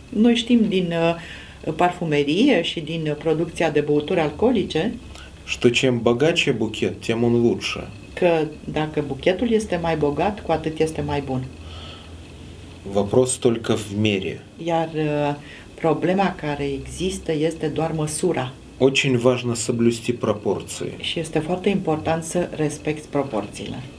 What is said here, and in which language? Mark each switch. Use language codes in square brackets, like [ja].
[ro] Noi știm din parfumerie și din producția de băuturi alcoolice. [ru] Что чем богаче букет, тем он лучше. [ro] Că dacă buchetul este mai bogat, cu atât este mai bun. [ru] Вопрос только в мере. [ro] Iar problema care există este doar măsura. [ru] Очень важно соблюсти пропорции. [ro] Și este foarte important să respecti proporțiile.